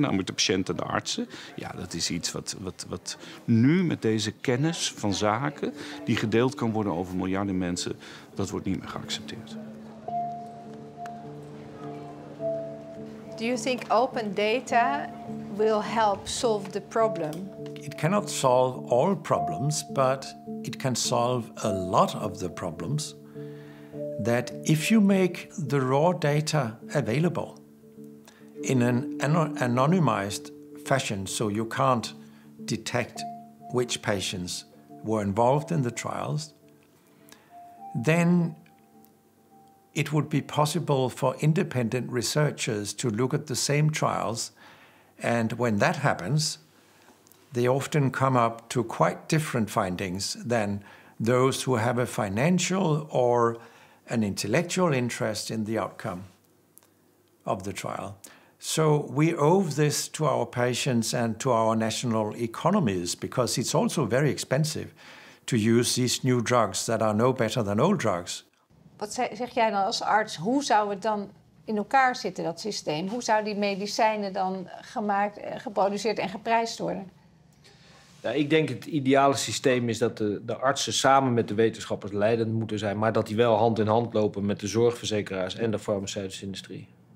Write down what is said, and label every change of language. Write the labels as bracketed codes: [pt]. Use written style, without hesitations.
[nl] namelijk de patiënten en de artsen. Ja, dat is iets wat nu met deze kennis van zaken... die gedeeld kan worden over miljarden mensen... dat wordt niet meer geaccepteerd. [en] Do you think open data will help solve the problem? It cannot solve all problems, but it can solve a lot of the problems that if you make the raw data available in an anonymized fashion, so you can't detect which patients were involved in the trials, then it would be possible for independent researchers to look at the same trials. And when that happens, they often come up to quite different findings than those who have a financial or an intellectual interest in the outcome of the trial. So we owe this to our patients and to our national economies, because it's also very expensive to use these new drugs that are no better than old drugs. [nl] Wat zeg jij dan als arts, hoe zou het dan in elkaar zitten, dat systeem? Hoe zouden die medicijnen dan gemaakt, geproduceerd en geprijsd worden? Nou, ik denk het ideale systeem is dat de artsen samen met de wetenschappers leidend moeten zijn, maar dat die wel hand in hand lopen met de zorgverzekeraars en de farmaceutische industrie.